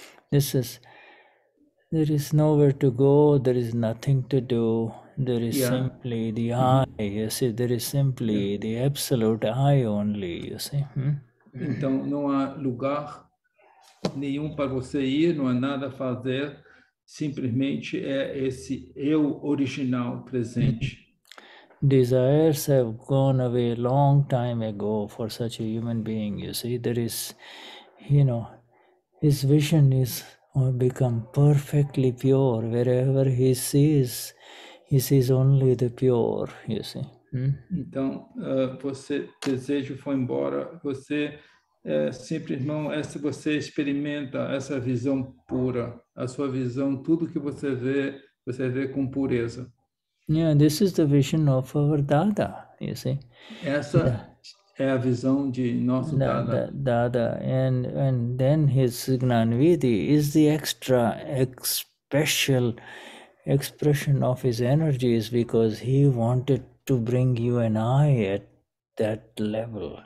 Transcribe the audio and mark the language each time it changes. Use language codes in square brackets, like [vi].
[en] This is, there is nowhere to go, there is nothing to do, there is simply the I, you see, there is simply the absolute I only, you see. [pt] Então não há lugar nenhum para você ir, não há nada a fazer, simplesmente é esse eu original presente. [en] Desires have gone away long time ago for such a human being, you see. There is, you know, his vision is become perfectly pure. Wherever he sees only the pure, you see. [pt] Então, você desejo foi embora, você É, simples irmão, é se você experimenta essa visão pura, a sua visão, tudo que você vê com pureza. [en] Yeah, this is the vision of our Dada, you see. [pt] Essa é a visão de nosso Dada. [en] Dada, and then his Gnanvidhi is the extra, special expression of his energies, because he wanted to bring you an eye at that level.